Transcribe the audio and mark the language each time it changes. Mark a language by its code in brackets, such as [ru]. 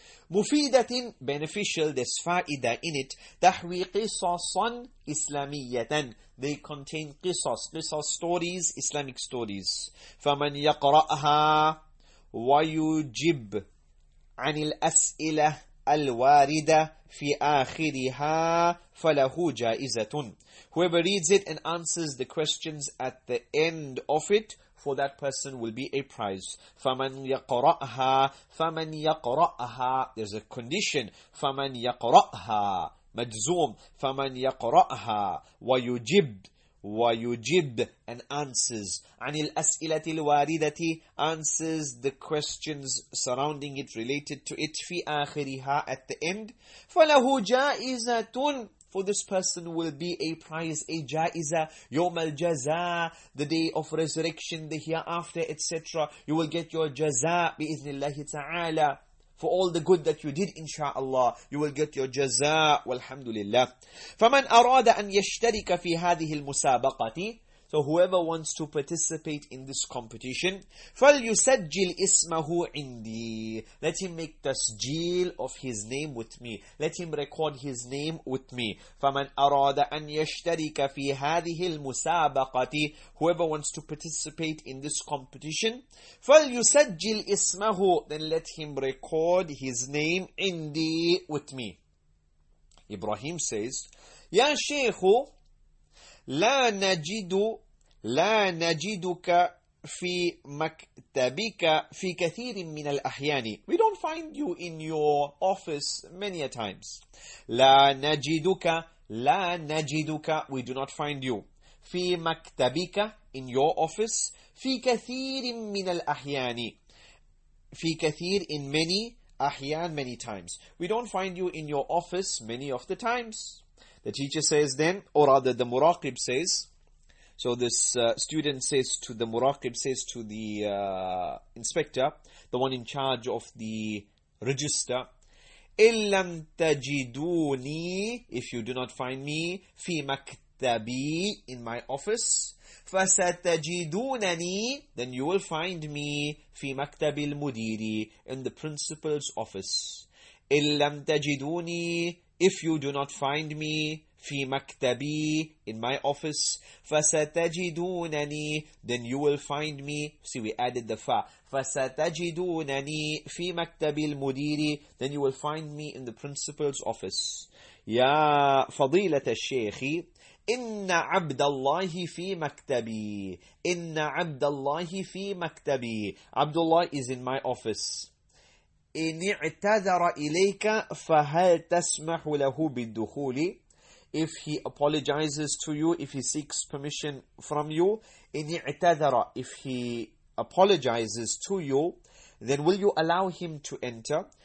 [en] مفيدةٍ, beneficial, there's فائدة in it. [ar] تحوي قصصاً إسلاميةً, [en] they contain قصص, قصص stories, Islamic stories. [ar] فمن يقرأها ويجب عن الأسئلة الواردة في آخرها فله جائزة. [en] Whoever reads it and answers the questions at the end of it, for that person will be a prize. [ar] فمن يقرأها, [en] there's a condition. [ar] فمن يقرأها مجزوم. فمن يقرأها ويجب [en] and answers. [ar] عن الأسئلة الواردة, [en] answers the questions surrounding it, related to it. [ar] في آخرها, [en] at the end. [ar] فله جائزة, [en] for this person will be a prize. A جائزة, [ar] يوم الجزاء, [en] the day of resurrection, the hereafter, etc. You will get your جزاء [ar] بإذن الله تعالى, [en] for all the good that you did, inshallah, you will get your جزاء, walhamdulillah. [ar] فمن أراد أن يشترك في هذه المسابقة, [en] so whoever wants to participate in this competition, [ar] فليسجل اسمه عندي, [en] let him make تسجيل of his name with me, let him record his name with me. [ar] فمن أراد أن يشترك في هذه المسابقة, [en] whoever wants to participate in this competition, [ar] فليسجل اسمه, [en] then let him record his name [ar] عندي [en] with me. Ibrahim says, [ar] يا شيخ لا نجدك في مكتبك في كثير من الأحيان. [en] We don't find you in your office many a times. [ar] لا نجدك, لا نجدك, [en] we do not find you. [ar] في مكتبك, [en] in your office. [ar] في كثير من الأحيان, في كثير, [en] in many, [ar] أحيان, [en] many times. We don't find you in your office many of the times. The teacher says then, or rather the muraqib says, so this student says to the muraqib, says to the inspector, the one in charge of the register, [ar] إِن لَمْ تَجِدُونِي, [en] if you do not find me, [ar] فِي مَكْتَبِي, [en] in my office, [ar] فَسَتَجِدُونَنِي, [en] then you will find me, [ar] فِي مَكْتَبِ الْمُدِيرِ, [en] in the principal's office. [ar] إِن لَمْ تَجِدُونِي, [en] if you do not find me, [ar] في مكتبي, [en] in my office, [ar] فستجدونني, [en] then you will find me. See, we added the fa. [ar] فستجدونني في مكتبي المديري, [en] then you will find me in the principal's office. [ar] يا فضيلة الشيخ, إن عبد الله في مكتبي. إن عبد الله في مكتبي. [en] Abdullah is in my office. [ar] إن اعتذر إليك فهل تسمح له بالدخول؟ [en] If he apologizes to you, if he seeks permission from you, [ar] إن اعتذر, [en] if he apologizes to you, then will you allow him to enter?